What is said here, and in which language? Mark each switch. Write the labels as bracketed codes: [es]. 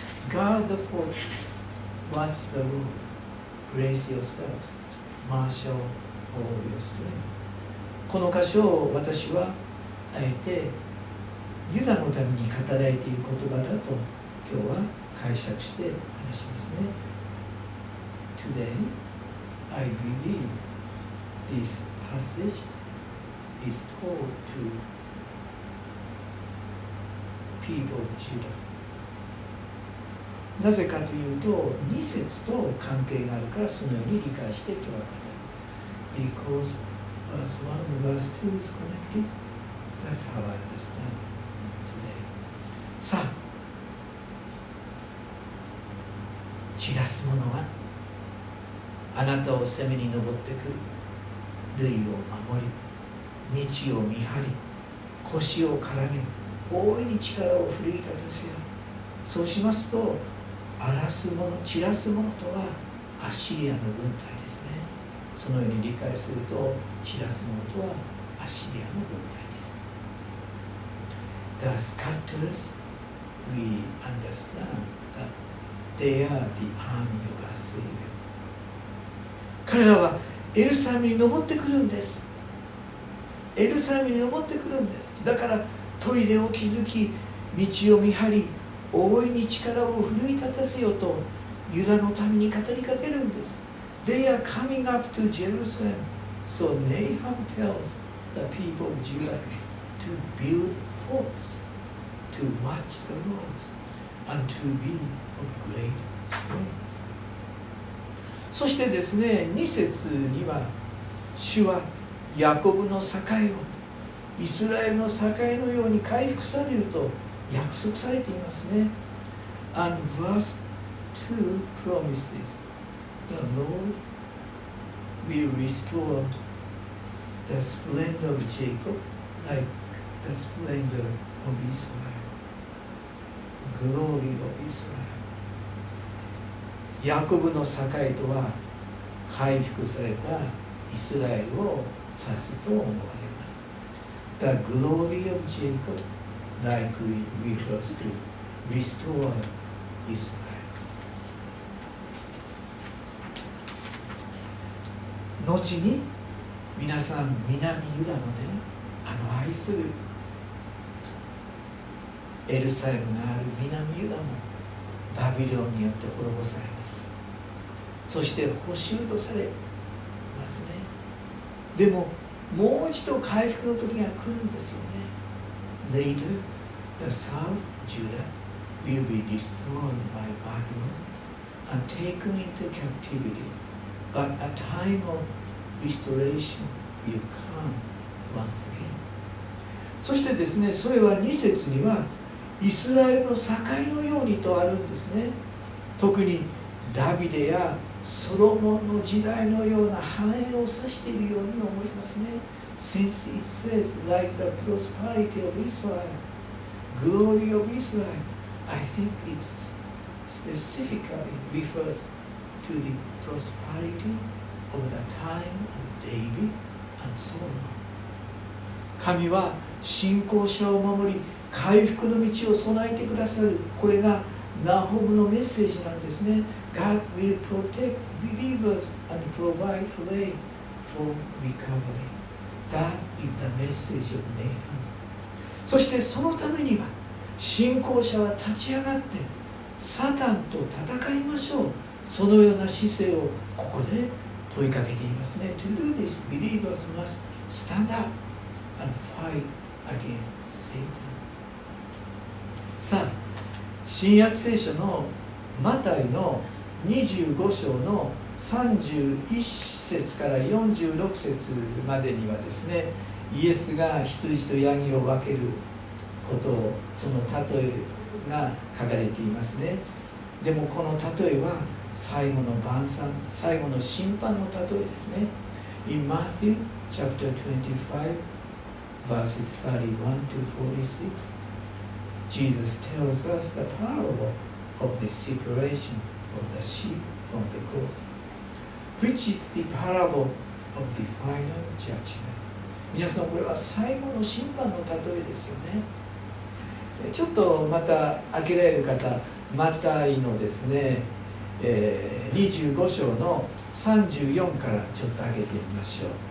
[en] Guard the fortress. Watch the road. Brace yourselves. Marshal all your strength. [ja] この箇所を私はあえてユダのために語られている言葉だと今日は解釈して話しますね。 [en] Today, I believe this passage is called to people of Judah. [ja] なぜかというと、2節と関係があるからそのように理解して今日は語ります。 [en] Because verse 1 and verse 2 is connected, that's how I understand. [ja] さあ、散らす者はあなたを攻めに登ってくる。類を守り、道を見張り、腰をからげ、大いに力を振り立たせよ。そうしますと、荒らす者、散らす者とはアッシリアの軍隊ですね。そのように理解すると、散らす者とはアッシリアの軍隊です。 [en] Thus cutters. We understand that they are the army of Assyria. [ja] 彼らはエルサレムに登ってくるんです。エルサレムに登ってくるんです。だから砦を築き、道を見張り、大いに力を奮い立たせよとユダの民に語りかけるんです。 [en] They are coming up to Jerusalem. So Nahum tells the people of Judah to build forts. To watch the laws and to be of great strength. [ja] そしてですね、2節には主はヤコブの栄をイスラエルの栄のように回復されると約束されていますね。 [en] And verse 2 promises the Lord will restore the splendor of Jacob like the splendor of Israel. Glory of Israel. [ja] ヤコブの栄とは回復されたイスラエルを指すと思われます。 [en] The glory of Jacob likely refers to restore Israel. [ja] 後に皆さん南ユダのね、あの愛するエルサレムがある南ユダもバビロンによって滅ぼされます。そして捕囚とされますね。でももう一度回復の時が来るんですよね。 [en] Later, the south Judah will be destroyed by Babylon and taken into captivity, but a time of restoration will come once again. [ja] そしてですね、それは2節にはイスラエルの境のようにとあるんですね。特にダビデやソロモンの時代のような繁栄を指しているように思いますね。 [en] Since it says like the prosperity of Israel, glory of Israel, I think it specifically refers to the prosperity of the time of David and Solomon. [ja] 神は信仰者を守り回復の道を備えてくださる。これがナホムのメッセージなんですね。 [en] God will protect believers and provide a way for recovery. That is the message of Nahum. [ja] そしてそのためには信仰者は立ち上がってサタンと戦いましょう。そのような姿勢をここで問いかけていますね。 [en] To do this, believers must stand up and fight against Satan. [ja] さあ、新約聖書のマタイの25章の31節から46節までにはですね、イエスが羊とヤギを分けることを、その例えが書かれていますね。でもこの例えは最後の晩餐、最後の審判の例えですね。 [en] In Matthew chapter 25, verses 31 to 46, Jesus tells us the parable of the separation of the sheep from the goats, which is the parable of the final judgment. [ja] 皆さん、これは最後の審判の例えですよね。ちょっとまた開けられる方、マタイのですね、25章の34からちょっと開けてみましょう。